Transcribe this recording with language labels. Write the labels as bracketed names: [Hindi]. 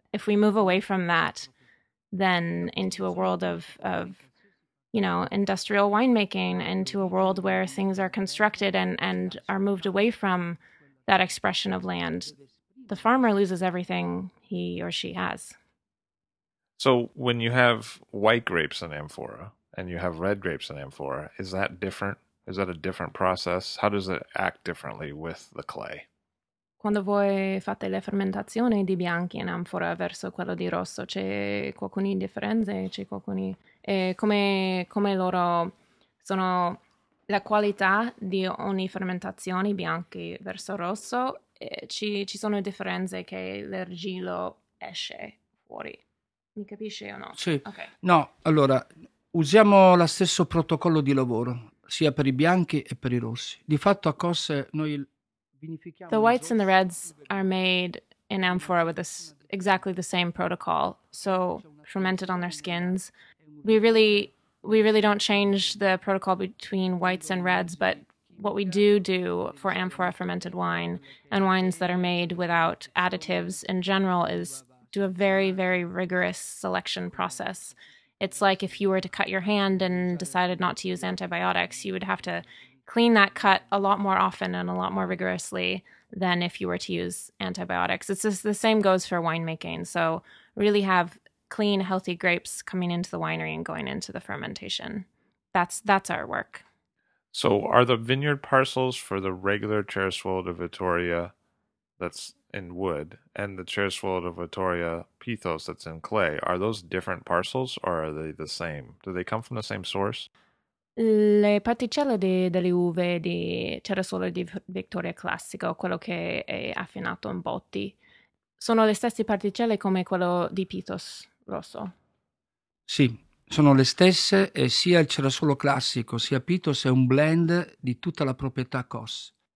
[English] If we move away from that, then into a world of you know, industrial winemaking, into a world where things are constructed and are moved away from that expression of land, the farmer loses everything he or she has. So when you have white grapes in amphora and you have red grapes in amphora, is that different? Is that a different process? How does it act differently with the clay? [Italian] Quando voi fate le fermentazioni di bianchi in amfora verso quello di rosso, c'è qualcuno di differenze, c'è qualcuno... E come loro sono... La qualità di ogni fermentazione bianchi verso rosso, e ci sono differenze che l'argillo esce fuori. Mi capisci o no? Sì. Okay. No, allora, usiamo lo stesso protocollo di lavoro, sia per i bianchi e per i rossi. Di fatto a Cosse noi... [English] The whites and the reds are made in amphora with this, exactly the same protocol, so fermented on their skins. We really don't change the protocol between whites and reds, but what we do for amphora fermented wine and wines that are made without additives in general is do a very, very rigorous selection process. It's like if you were to cut your hand and decided not to use antibiotics, you would have to clean that cut a lot more often and a lot more rigorously than if you were to use antibiotics. It's just the same goes for winemaking. So really have clean, healthy grapes coming into the winery and going into the fermentation. That's our work. So are the vineyard parcels for the regular Cerisuolo di Vittoria that's in wood and the Cerisuolo di Vittoria Pithos that's in clay, are those different parcels or are they the same? Do they come from the same source? [Italian] Le particelle delle uve di Cerisuolo di Vittoria Classico, quello che è affinato in botti, sono le stesse particelle come quello di Pithos Rosso? Sì, sono le stesse e sia il Cerisuolo Classico sia Pithos è un blend di tutta la proprietà COS.